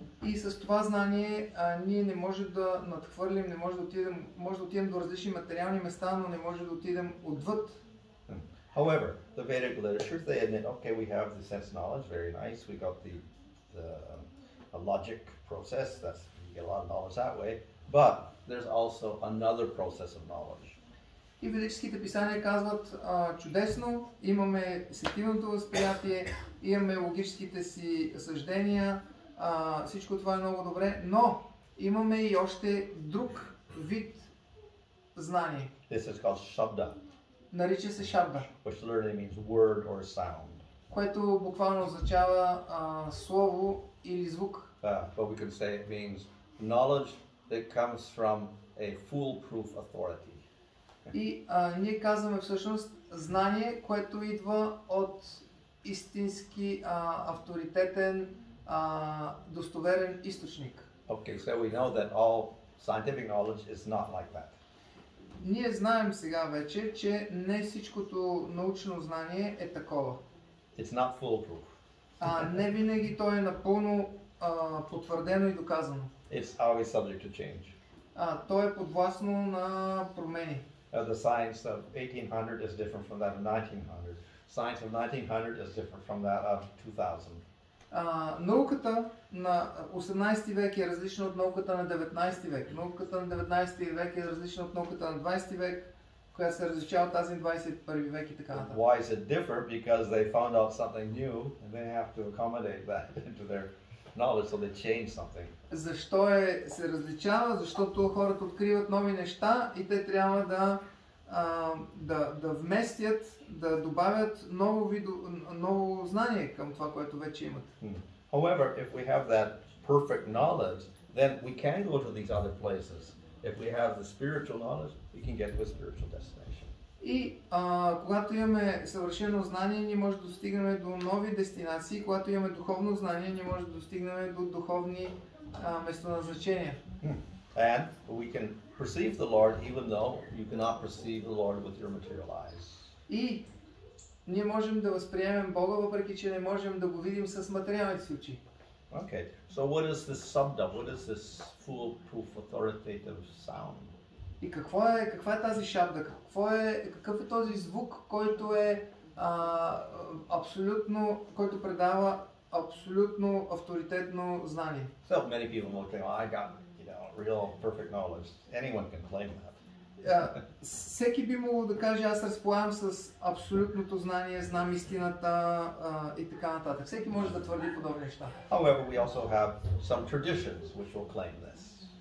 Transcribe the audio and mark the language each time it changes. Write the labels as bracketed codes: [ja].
[bg] И с това знание ние не можем да надхвърлим, не можем да отидем, може да отидем до различни материални места, но не можем да отидем отвъд. [en] However, the Vedic literature, they admit, okay, we have the sense knowledge, very nice, we got the logic process, that's get a lot of knowledge that way, but there's also another process of knowledge. [bg] И ведическите писания казват: чудесно, имаме сетивното възприятие, имаме логическите си съждения, всичко това е много добре, но имаме и още друг вид знание. [en] This is called shabda. [bg] Нарича се шабда. [en] Which literally means word or sound. [bg] Което буквално означава слово или звук. [en] But we can say it means knowledge that comes from a foolproof authority. [bg] И ние казваме всъщност знание, което идва от истински авторитетен достоверен източник. [en] Okay, so we know that all scientific knowledge is not like that. [bg] Ние знаем сега вече, че не всичкото научно знание е такова. [en] It's not foolproof. [bg] Не винаги то е напълно потвърдено и доказано. [en] It's always subject to change. [bg] Той е подвластно на промени. [en] The science of 1800 is different from that of 1900. Science of 1900 is different from that of 2000. [bg] Науката на 18 век е различна от науката на 19 век. Науката на 19 век е различна от науката на 20 век, която се различава от тази 21 век и така нататък. [en] Why is it different? Because they found out something new and they have to accommodate that into their knowledge, so they change something. [bg] Защо е се различава? Защото хората откриват нови неща и те трябва да вместят, да добавят ново знание към това, което вече имат. [en] However, if we have that perfect knowledge, then we can go to these other places. If we have the spiritual knowledge, we can get to a spiritual destination. [bg] И когато имаме съвършено знание, ние може да достигнем до нови дестинации, когато имаме духовно знание, ние може да достигнем до духовни местоназначения. [en] And we can perceive the Lord even though you cannot perceive the Lord with your material eyes. [bg] И ние можем да възприемем Бога, въпреки че не можем да го видим с материалните си очи. [en] Okay. So what is this sabda? What is this foolproof authoritative sound? [bg] И каква е тази шабда? Какъв е този звук, който е абсолютно, който предава абсолютно авторитетно знание? [en] So many people will claim, I got, you know, real perfect knowledge. Anyone can claim that. [bg] Всеки би могло да каже, аз разполагам с абсолютното знание, знам истината и така нататък. Всеки може да твърди подобни неща. [en] However, we also have some traditions which will claim this.